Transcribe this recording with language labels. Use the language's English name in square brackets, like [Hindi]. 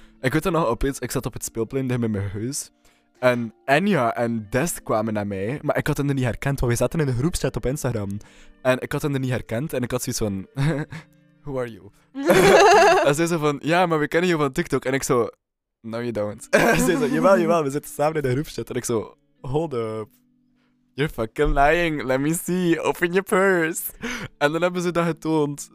[Dutch] Ik weet dan nog opeens, ik zat op het speelplein dicht bij mijn huis. En Enya en Des kwamen naar mij. Maar ik had hen er niet herkend, want we zaten in een groepschat op Instagram. En ik had hen er niet herkend. En ik had zoiets van, [English] who are you? [Dutch] En zei ze van, ja, maar we kennen je van TikTok. En ik zo, [English] no you don't. [Dutch] En zei ze, jawel, we zitten samen in de groepschat. En ik zo, [English] hold up. You're fucking lying. Let me see. Open your purse. [Dutch] En dan hebben ze dat getoond.